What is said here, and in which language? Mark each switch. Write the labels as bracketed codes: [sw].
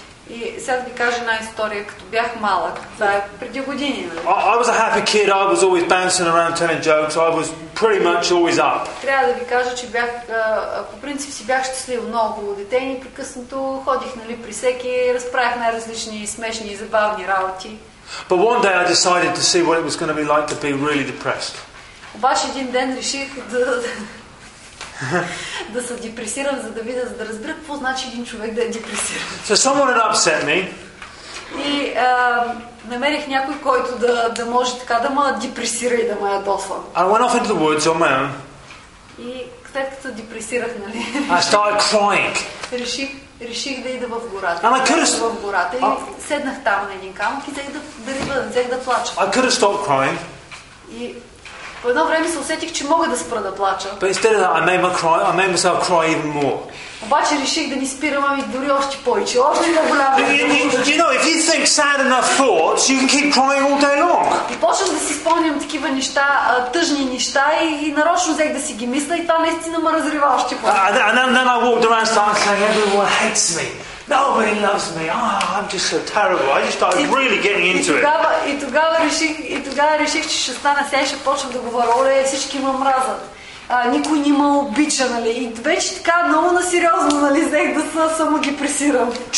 [bg] И сега да ви кажа една история, като бях малък, това е преди години. [en] I was a happy kid, I was always bouncing around telling jokes, I was pretty much always up. [bg] Трябва да ви кажа, че бях, по принцип си бях щастлив много дете и непрекъснато ходих, нали, при всеки, разправях най-различни смешни и забавни работи. [en] But one day I decided to see what it was going to be like to be really depressed. [bg] Обаче един ден реших да се депресирам, за да видя, за да разбера какво значи един човек да е депресиран. [en] So someone had upset me. [bg] И намерих някой, който да може така да ме депресира и да ме ядоса. [en] I went off into the woods on my own. [bg] И след като депресирах, нали? [en] I started crying. [bg] Реших да ида в гората. И седнах там на един камък и взех да плача. [en] I could have stopped crying. [bg] И по едно време се усетих, че мога да спра да плача. [en] But instead of that, I made myself cry even more. [bg] Обаче реших да не спирам, ами дори още повече, още по-голямо. [en] You know, if you think sad enough thoughts, you can keep crying all day long. [bg] И почнах да си спомням такива неща, тъжни неща, и нарочно взех да си ги мисля, и това наистина ме разрива още повече. [en] And then I walked around and started saying, everyone hates me. Nobody loves me. Oh, I'm just so terrible. I just started really getting into it. [bg] И тогава реших, че ще стана, сега ще почвам да говоря, оле, всички ме мразат. Никой не ме обича, нали? И вече така много насериозно, нали, взех да се самодепресирам.